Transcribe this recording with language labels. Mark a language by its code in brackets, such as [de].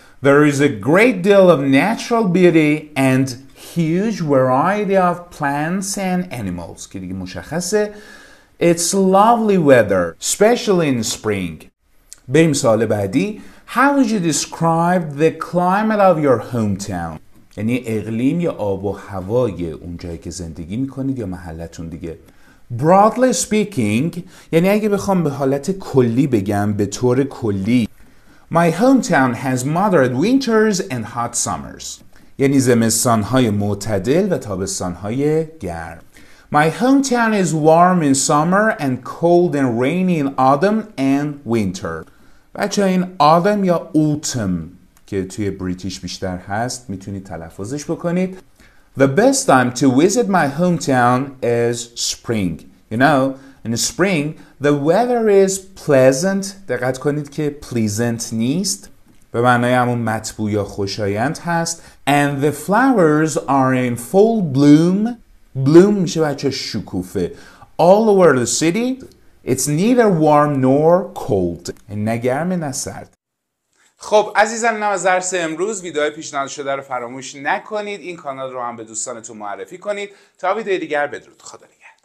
[en] There is a great deal of natural beauty and huge variety of plants and animals. [fa] که دیگه مشخصه. [en] It's lovely weather, especially in spring. [fa] بریم سوال بعدی. [en] How would you describe the climate of your hometown? [fa] یعنی اقلیم یا آب و هوای اون جایی که زندگی میکنید یا محلتون دیگه. [en] Broadly speaking, [fa] یعنی اگه بخوام به حالت کلی بگم، به طور کلی. [en] My hometown has moderate winters and hot summers. [fa] یعنی زمستان‌های معتدل و تابستان‌های گرم. [en] My hometown is warm in summer and cold and rainy in autumn and winter. [fa] بچه این autumn یا autumn که توی بریتیش بیشتر هست میتونید تلفظش بکنید. [en] The best time to visit my hometown is spring. You know, in spring, the weather is pleasant. [fa] دقت کنید که pleasant نیست. به معنای همون مطبوع یا خوشایند هست. [en] And the flowers are in full bloom. [fa] بلوم میشه بچه شکوفه. [en] All over the city, it's neither warm nor cold. [fa] نه گرم نه سرد. خب عزیزان، اینم از درس امروز. ویدیوهای پیشنهاد شده رو فراموش نکنید. این کانال رو هم به دوستانتون معرفی کنید. تا ویدیوی دیگر، بدرود. خدا نگهدار.